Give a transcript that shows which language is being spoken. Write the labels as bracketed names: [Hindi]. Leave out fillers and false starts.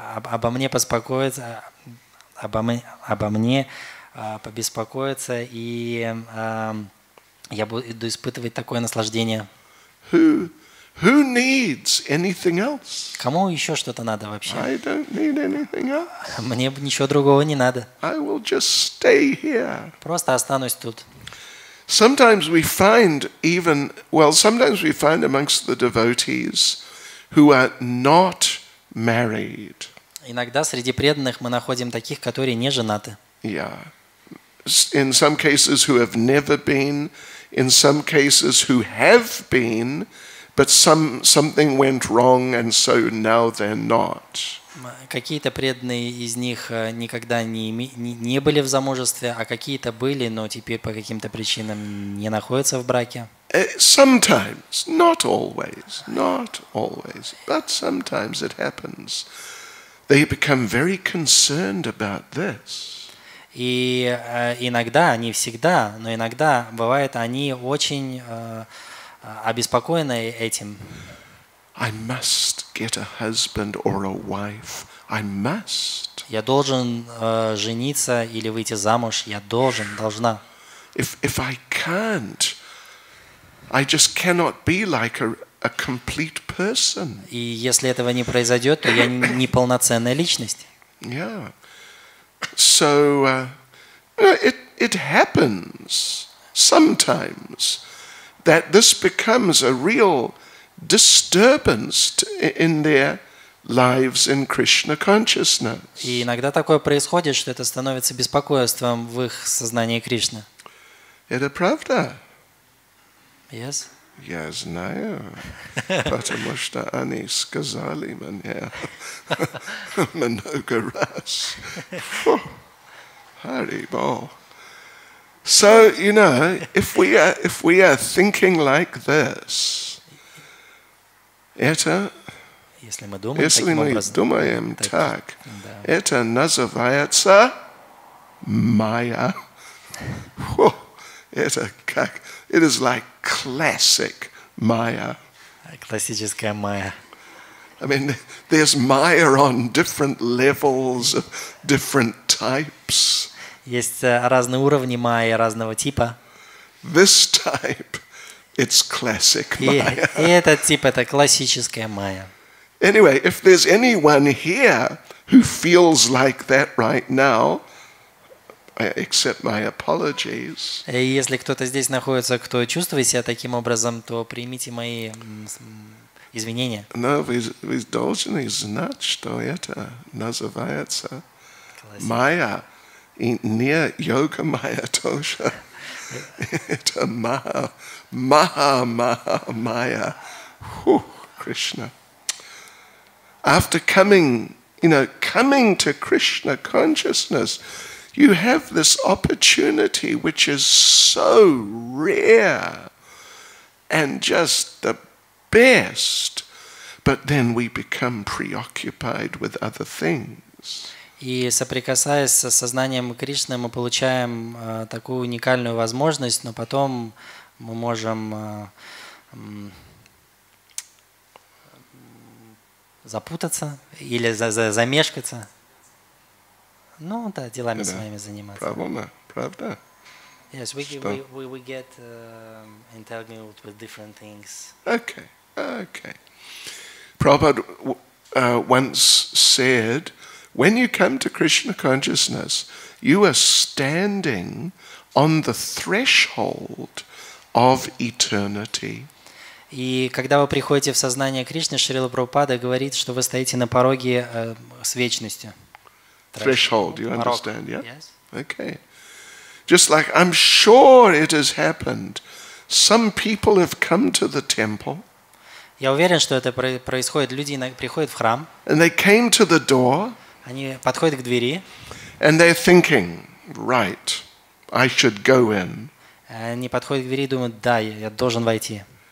[Russian] Обо мне поспокоиться, обо мне побеспокоиться, и я буду испытывать такое наслаждение. [English] Who needs anything else? [Russian] Кому еще что-то надо вообще? [English] I don't need anything else. [Russian] Мне ничего другого не надо. [English] I will just stay here. [Russian] Просто останусь тут. [English] Sometimes we find even, well, sometimes we find amongst the devotees who are not married. [Russian] Иногда среди преданных мы находим таких, которые не женаты. [English] Yeah. In some cases who have never been, in some cases who have been, but something went wrong and so now they're not. [Russian] Какие-то преданные из них никогда не были в замужестве, а какие-то были, но теперь по каким-то причинам не находятся в браке. [English] Sometimes, not always, but sometimes it happens. They become very concerned about this. [Russian] И иногда, не всегда, но иногда бывает, они очень обеспокоены этим. [English] I must get a husband or a wife. I must. [Russian] Я должен жениться или выйти замуж. Я должен, должна. [English] If I can't, I just cannot be like a complete person. [Russian] И если этого не произойдет, то я не полноценная личность. [English] Yeah. So it happens sometimes that this becomes a real disturbance in their lives in Krishna consciousness. [Russian] И иногда такое происходит, что это становится беспокойством в их сознании Кришны. Это правда? [English] Yes. [Russian] Я знаю, потому что они сказали мне много раз. [English] Hare Bol. So you know, if we are thinking like this. [Russian] Это, если мы думаем так, да. Это называется майя. [English] It is like classic майя. [Russian] Классическая майя. [English] I mean, there's майя on different levels of different types. [Russian] Есть разные уровни майя разного типа. [English] This type, it's classic Maya. [Russian] И этот тип – это классическая майя. [English] Anyway, if there's anyone here who feels like that right now, I accept my apologies. [Russian] Если кто-то здесь находится, кто чувствует себя таким образом, то примите мои извинения. Но вы должны знать, что это называется майя, и не йога майя тоже. Это маха-маха-майя. Фух, Кришна. [English] After coming, you know, coming to Krishna consciousness, you have this opportunity which is so rare and just the best, but then we become preoccupied with other things. [Russian] И соприкасаясь со сознанием Кришны, мы получаем такую уникальную возможность, но потом мы можем запутаться или замешкаться. Ну, да, делами своими заниматься. Правильно, правда? [English] Yes, we get entangled with different things. Okay. Prabhupada once said, when you come to Krishna consciousness, you are standing on the threshold of eternity. [Russian] И когда вы приходите в сознание Кришны, Шрила Прабхупада говорит, что вы стоите на пороге с вечностью. [English] Threshold, you understand, yeah? Yes. Okay. Just like I'm sure it has happened. Some people have come to the temple. [Russian] Я уверен, что это происходит. Люди приходят в храм. [English] And they came to the door. [Russian] Они подходят к двери. [English] And they're thinking, right, I should go in. [Russian] Они подходят к двери и думают, да, я должен войти.